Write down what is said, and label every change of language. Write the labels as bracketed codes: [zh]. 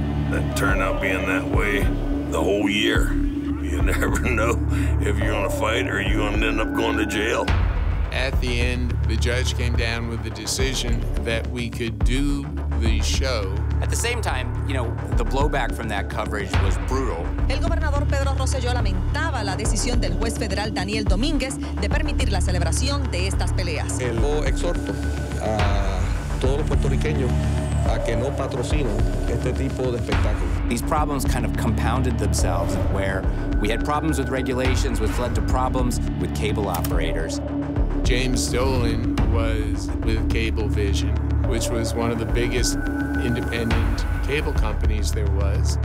[en] That turned out being that way the whole year. You never know if you're gonna fight or you're gonna end up going to jail. At the end, the judge came down with the decision that we could do the show. At the same time, you know, the blowback from that coverage was brutal. [es] El gobernador Pedro Rosselló lamentaba la decisión del juez federal Daniel Domínguez de permitir la celebración de estas peleas. Yo exhorto a todos los puertorriqueños a que no patrocinen este tipo de espectáculo. [en] These problems kind of compounded themselves, where we had problems with regulations, which led to problems with cable operators. James Dolan was with Cablevision, which was one of the biggest independent cable companies there was.